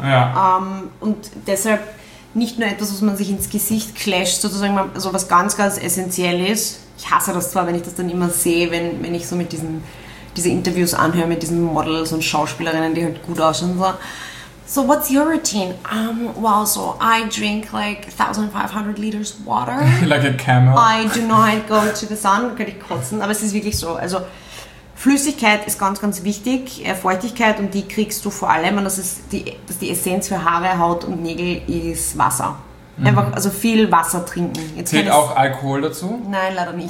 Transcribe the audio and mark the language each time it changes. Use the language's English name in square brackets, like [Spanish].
[German] Ja. Und deshalb nicht nur etwas, was man sich ins Gesicht clasht, sozusagen, also was ganz, ganz essentiell ist. Ich hasse das zwar, wenn ich das dann immer sehe, wenn ich so mit diese Interviews anhöre, mit diesen Models und Schauspielerinnen, die halt gut aussehen und so. [English] So, what's your routine? So I drink like 1,500 liters water. Like a camel. I do not go to the sun. [German] Könnte ich kotzen, aber es ist wirklich so. Also Flüssigkeit ist ganz, ganz wichtig. Feuchtigkeit, und die kriegst du vor allem, und das ist die Essenz für Haare, Haut und Nägel, ist Wasser. Einfach, also viel Wasser trinken. Zählt auch Alkohol dazu? Nein, leider nicht.